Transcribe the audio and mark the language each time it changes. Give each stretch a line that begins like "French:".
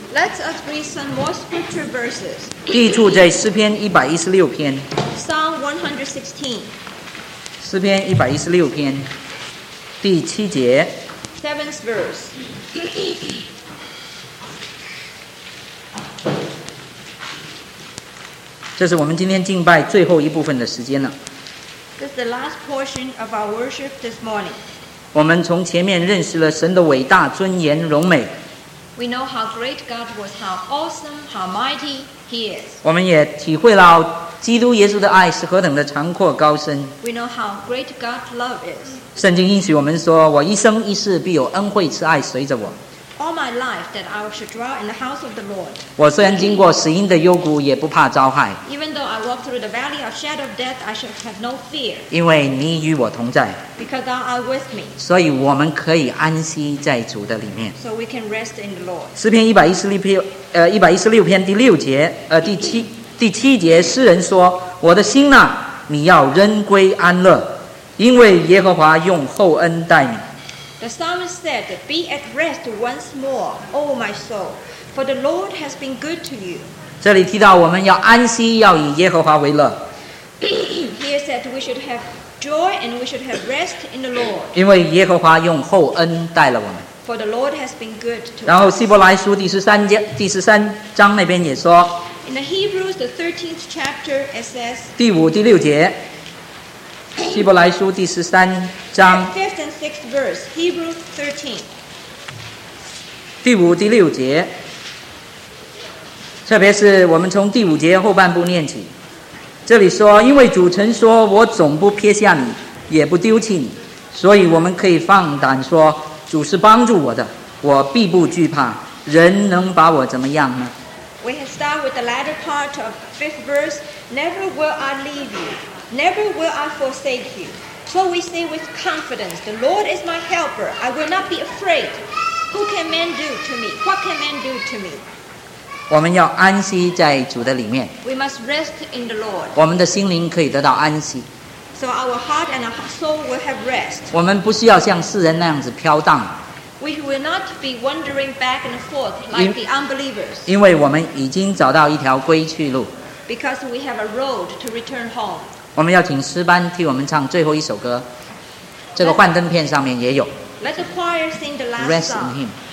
English: Let's us read some more scripture verses.
Chinese: 第一处在诗篇一百一十六篇。
English: Psalm 116.
Chinese: 诗篇一百一十六篇，第七节。
English: Seventh verse.
Chinese: 这是我们今天敬拜最后一部分的时间了。
English: This is the last portion of our worship this morning.
Chinese: 我们从前面认识了神的伟大、尊严、荣美。
English: We know how great God was, how awesome, how mighty He is.
Chinese: 我们也体会了基督耶稣的爱是何等的长阔高深。
English: We know how great God's love is.
Chinese: 圣经应许我们说，我一生一世必有恩惠慈爱随着我。
English: All my life that I should dwell in the house of the Lord.
Chinese: 我虽然经过死荫的幽谷，也不怕遭害。
English: Even though I walk through the valley of shadow of death, I should have no fear.
Chinese: 因为你与我同在。
English: Because thou art with me.
Chinese: 所以我们可以安息在主的里面。
English: So we can rest in the Lord.
Chinese: 诗篇一百一十六篇第六节，第七节，诗人说：“我的心呐，你要仍归安乐，因为耶和华用厚恩待你。”
English: The psalmist said, "Be at rest once more, O my soul, for the Lord has been good to you."
Chinese: 这里提到我们要安息，要以耶和华为乐。
English: Here said we should have joy and we should have rest in the Lord.
Chinese: 因为耶和华用厚恩待了我们。
English: For the Lord has been good to us.
Chinese: 然后希伯来书第十三章那边也说。
English: In the Hebrews, the 13th chapter, it says.
Chinese: 第五、第六节。希伯来书第十三章
English: 5th and 6th verse Hebrews 13
Chinese: 第五、第六节，特别是我们从第五节后半部念起，这里说，因为主曾说，我总不撇下你，也不丢弃你，所以我们可以放胆说，主是帮助我的，我必不惧怕，人能把我怎么样呢？
English: We have started with the latter part of 5th verse. Never will I leave you. Never will I forsake you. So we say with confidence, the Lord is my helper. I will not be afraid. Who can man do to me? What can man do to me?
Chinese: 我们要安息在主的里面。
English: We must rest in the Lord.
Chinese: 我们的心灵可以得到安息。
English: So our heart and our soul will have rest.
Chinese: 我们不需要像世人那样子飘荡。
English: We will not be wandering back and forth like the unbelievers.
Chinese: 因为我们已经找到一条归去路。
English: Because we have a road to return home.
Chinese: 我们要请诗班替我们唱最后一首歌。这个幻灯片上面也有。
English: Let the choir sing the last song.